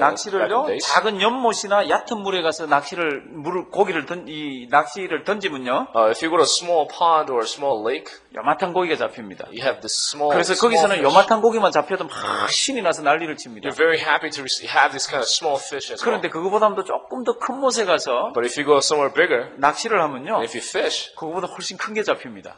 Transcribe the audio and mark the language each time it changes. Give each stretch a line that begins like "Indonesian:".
Korean: 낚시를요 작은 연못이나 얕은 물에 가서 낚시를 물을 고기를 던 이 낚시를 던지면요
English: if you go to a small pond or a small lake
Korean: 요만한 고기가 잡힙니다.
English: You have this small
Korean: 그래서 거기서는 요만한 고기만 잡혀도 막 신이 나서 난리를 칩니다.
English: You're very happy to have this kind of small fish as well.
Korean: 그런데 그거보다도 조금 더 큰 곳에 가서
English: But if you go somewhere bigger,
Korean: 낚시를 하면요.
English: If you fish,
Korean: 그거보다 훨씬 큰 게 잡힙니다.